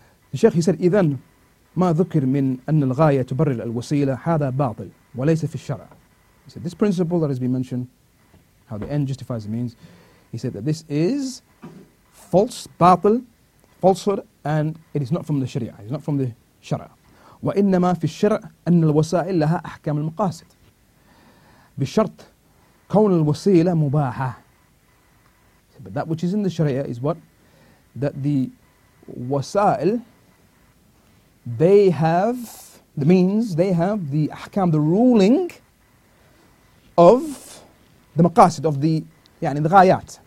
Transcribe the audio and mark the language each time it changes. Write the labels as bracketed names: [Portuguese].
[English] The Sheikh, he said, [Arabic] إذن ما ذكر من أن الغاية تبرر الوسيلة هذا باطل وليس في الشرع. [English] He said, this principle that has been mentioned, how the end justifies the means, he said that this is false, باطل, falsehood, and it is not from the Sharia, it is not from the Shara. [Arabic] وإنما في الشرع أن الوسائل لها أحكام المقاصد بشرط كون الوسيلة مباحة. [English] But that which is in the Sharia is what? That the wasail, they have the means, they have the ahkam, the ruling of the maqasid, of the, yani, the ghayat.